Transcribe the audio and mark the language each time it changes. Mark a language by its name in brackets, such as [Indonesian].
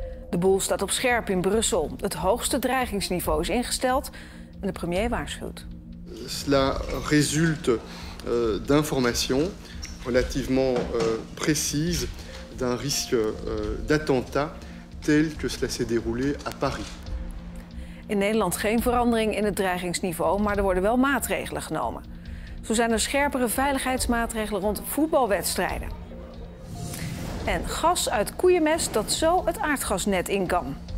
[Dutch] De boel staat op scherp in Brussel. Het hoogste dreigingsniveau is ingesteld en de premier waarschuwt. [French] Cela résulte d'informations relativement précises d'un risque d'attentat tel que cela s'est déroulé à Paris. [Dutch] In Nederland geen verandering in het dreigingsniveau, maar er worden wel maatregelen genomen. Zo zijn er scherpere veiligheidsmaatregelen rond voetbalwedstrijden. En gas uit koeienmest dat zo het aardgasnet in kan.